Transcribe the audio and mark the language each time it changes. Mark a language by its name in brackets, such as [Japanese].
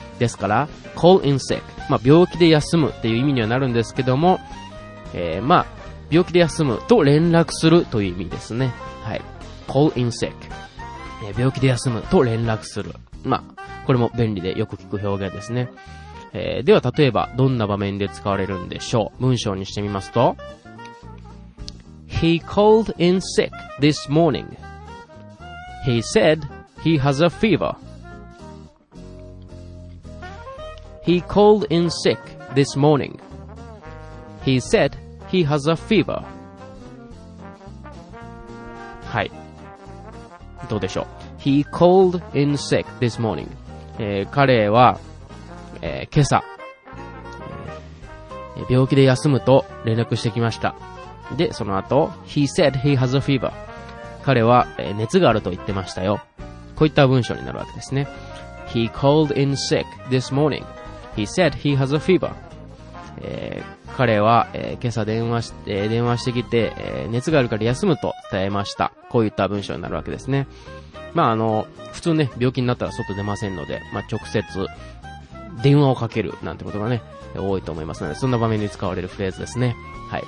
[Japanese] ですから call in sick、まあ、病気で休むという意味にはなるんですけども、まあ、病気で休むと連絡するという意味ですね、はい、call in sick、病気で休むと連絡する、まあ、これも便利でよく聞く表現ですね、では例えばどんな場面で使われるんでしょう。文章にしてみますと [English] He called in sick this morningHe said he has a fever. He called in sick this morning. He said he has a fever. [Japanese] はい。どうでしょう。 [English] He called in sick this morning.、 [Japanese] 彼は、今朝、病気で休むと連絡してきました。で、その後、 [English] He said he has a fever. [Japanese] 彼は熱があると言ってましたよ。こういった文章になるわけですね。 [English] He called in sick this morning. He said he has a fever.、 [Japanese] 彼は、今朝電話してきて、熱があるから休むと伝えました。こういった文章になるわけですね。まあ普通ね、病気になったら外出ませんので、まあ、直接電話をかけるなんてことがね、多いと思いますので、そんな場面に使われるフレーズですね。はい。